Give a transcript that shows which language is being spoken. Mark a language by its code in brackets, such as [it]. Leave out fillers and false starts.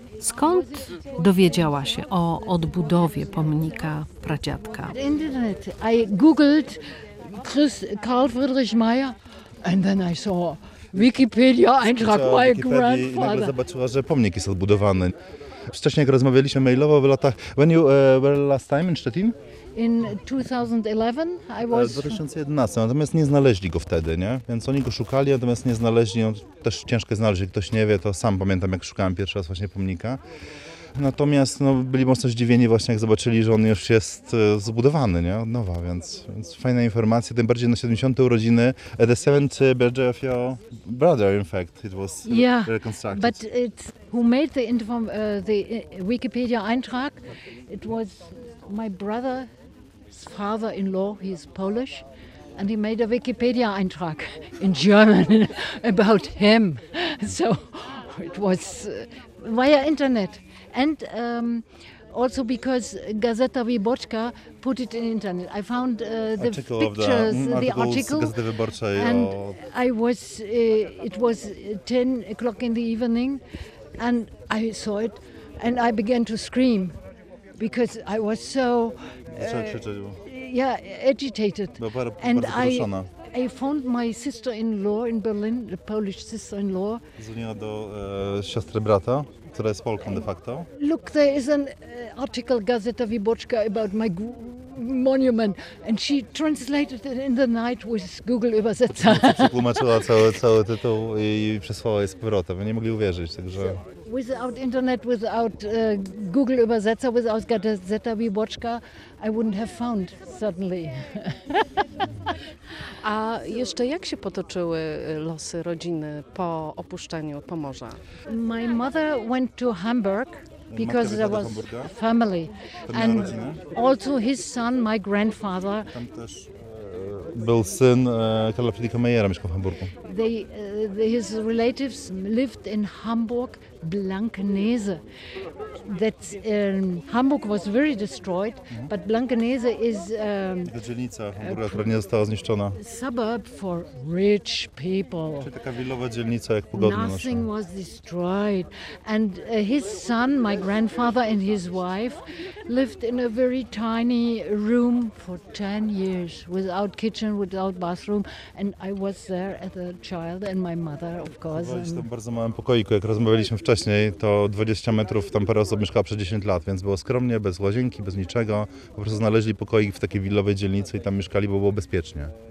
[pl] Skąd dowiedziała się o odbudowie pomnika pradziadka? [en] Internet. I googled Karl Friedrich Meyer and then I saw Wikipedia eintrag my grandfather. [pl] I nagle zobaczyła, że pomnik jest odbudowany. Wcześniej, jak rozmawialiśmy mailowo w latach... [en] When you were last time in Szczecin? In 2011 I was... [pl] W 2011, natomiast nie znaleźli go wtedy, nie? Więc oni go szukali, natomiast nie znaleźli. No, też ciężko znaleźć, jak ktoś nie wie, to sam pamiętam, jak szukałem pierwszy raz właśnie pomnika. Natomiast no, byli mocno zdziwieni właśnie, jak zobaczyli, że on już jest zbudowany, nie? Od nowa, więc fajna informacja. Tym bardziej na 70. urodziny. [en] The 70th birthday of your brother, in fact, it was reconstructed. But it's who made the Wikipedia eintrag, it was my brother... father-in-law, he is Polish, and he made a Wikipedia-Eintrag in German about him. So it was via internet. And also because Gazeta Wyborcza put it in internet. I found the article pictures, the article [pl] Gazety Wyborczej, [en] and I was, it was 10 o'clock in the evening and I saw it and I began to scream because I was so agitated. And I found my sister-in-law in Berlin, the Polish sister-in-law. [pl] Dzwoniła do siostry brata, która jest Polką de facto. [en] Look, there is an article Gazeta Wyborcza about my monument, and she translated it in the night with Google Übersetzer. [pl] Przetłumaczyła cały tytuł i przesłała je z powrotem. Nie mogli uwierzyć, także. [en] Without internet, without Google Übersetzer, without Gazeta Wyborcza, I wouldn't have found suddenly. [pl] A jeszcze jak się potoczyły losy rodziny po opuszczeniu Pomorza? [en] My mother went to Hamburg because there was family. And also his son, my grandfather. [pl] Tam też był syn Karla Friedricha Mayera, mieszkał w Hamburgu. [en] His relatives lived in Hamburg, Blankenese. That's, Hamburg was very destroyed, but Blankenese is [pl] dzielnica Hamburga, która nie została zniszczona. [en] Suburb for rich people. [pl] Czyli taka willowa dzielnica, jak pogodna. [en] Nothing was destroyed. And his son, my grandfather and his wife, lived in a very tiny room for 10 years, without kitchen, without bathroom. And I was there as a child and my mother, of course. [pl] Byliśmy w bardzo małym pokoiku, jak rozmawialiśmy wcześniej, to 20 metrów tam parę osób mieszkała przez 10 lat, więc było skromnie, bez łazienki, bez niczego. Po prostu znaleźli pokoik w takiej willowej dzielnicy i tam mieszkali, bo było bezpiecznie.